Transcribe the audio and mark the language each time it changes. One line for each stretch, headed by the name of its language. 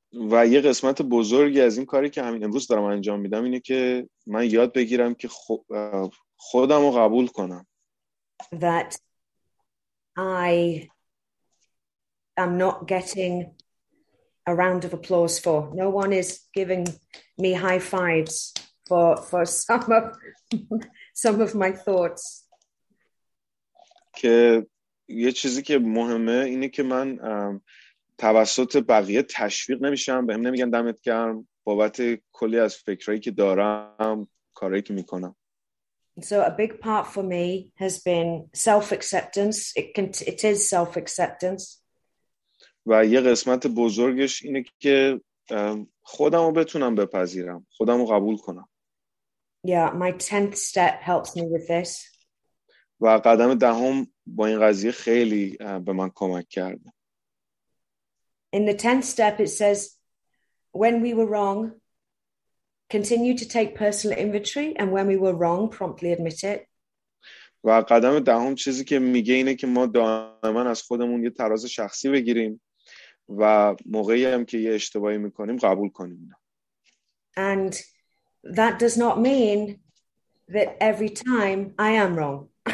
Persian: و یه قسمت بزرگی از این کاری که همین امروز دارم انجام میدم اینه که من یاد بگیرم که خودم رو قبول کنم.
English: That I am not getting a round of applause for. No one is giving me high fives for some of my thoughts.
Persian: که یه چیزی که مهمه اینه که من توسط بقیه تشویق نمیشم، بهم نمیگن دمت گرم بابت کلی از فکرایی که دارم، کارهایی که میکنم.
English: So a big part for me has been self-acceptance. It is self-acceptance.
Persian: و یه قسمت بزرگش اینه که خودمو بتونم بپذیرم، خودمو قبول کنم.
English: Yeah, my 10th step helps me with this.
Persian: و قدم دهم با این قضیه خیلی به من کمک کرد.
English: In the 10th step, it says, when we were wrong, continue to take personal inventory, and when we were wrong, promptly admit it.
Persian: و قدم دهم چیزی که میگه اینه که ما دائما از خودمون یه تراز شخصی بگیریم و موقعی هم که یه اشتباهی میکنیم قبول کنیم.
English: And that does not mean that every time I am wrong.